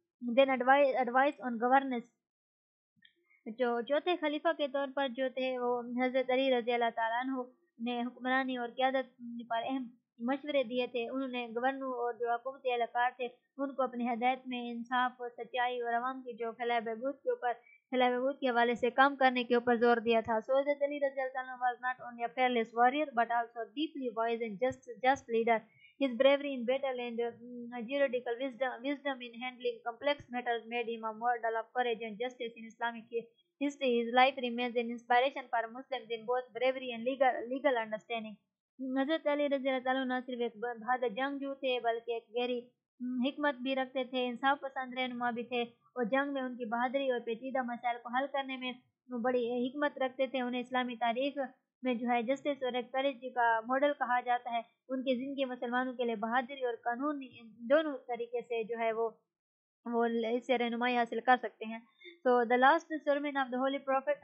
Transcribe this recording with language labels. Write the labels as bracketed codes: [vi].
[en] Then advice on governance. [ur] جو چوتھے خلیفہ کے طور پر جو تھے وہ حضرت علی رضی اللہ تعالیٰ عنہ نے حکمرانی اور قیادت پر اہم مشورے دیے تھے. انہوں نے گورنر اور جو حکومتی اہلکار تھے ان کو اپنی ہدایت میں انصاف اور سچائی اور عوام کی جو خلائے بہبود کے اوپر خلائے بہبود کے حوالے سے کام کرنے کے اوپر زور دیا تھا. [en] So حضرت Ali رضی اللہ تعالیٰ عنہ was not only a fearless warrior but also deeply wise and just leader. His bravery in battle and juridical wisdom in handling complex matters made him a model of courage and justice in Islamic history. His life remains an inspiration for Muslims in both bravery and legal understanding. [ur] حضرت علی رضی اللہ تعالیٰ نہ صرف ایک بہادر جنگجو تھے بلکہ ایک گہری حکمت بھی رکھتے تھے, انصاف پسند رہنما بھی تھے اور جنگ میں ان کی بہادری اور پیچیدہ مسائل کو حل کرنے میں بڑی حکمت رکھتے تھے. انہیں اسلامی تاریخ میں جو ہے جسٹس اور ایک کریج کا ماڈل کہا جاتا ہے. ان کی زندگی مسلمانوں کے لیے بہادری اور قانون دونوں طریقے سے جو ہے وہ اس سے رہنمائی حاصل کر سکتے ہیں. [en] So the last sermon of the holy prophet.